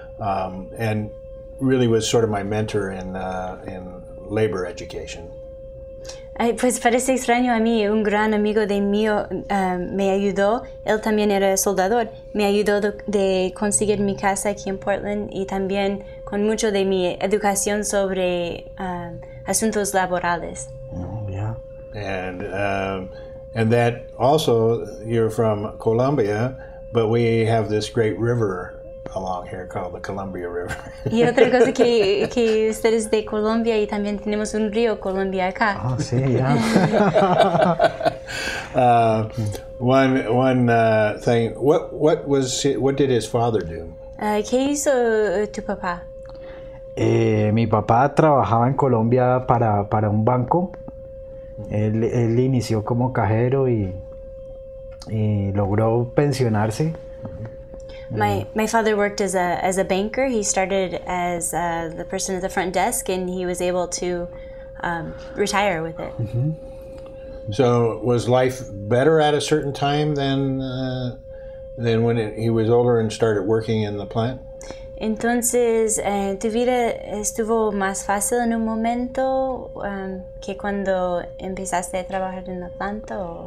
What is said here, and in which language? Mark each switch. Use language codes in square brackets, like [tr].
[en] And really was sort of my mentor in labor education. [es] Pues parece extraño a mí, un gran amigo de mío me ayudó, él también era soldador, me ayudó de conseguir mi casa aquí en Portland y también con mucho de mi educación sobre asuntos laborales. [en] Oh, yeah. And that also, you're from Colombia, but we have this great river along here called the Columbia River. [es] Y otra cosa que usted es de Colombia y también tenemos un río Colombia acá. Oh, sí, yeah. [en] One thing. What did his father do? [es] ¿Qué hizo tu papá? Mi papá trabajaba en Colombia para un banco. Él inició como cajero y logró pensionarse. [en] My father worked as a banker. He started as the person at the front desk, and he was able to retire with it. Mm-hmm. So was life better at a certain time than when he was older and started working in the plant? [es] Entonces, ¿tu vida estuvo más fácil en un momento que cuando empezaste a trabajar en la planta?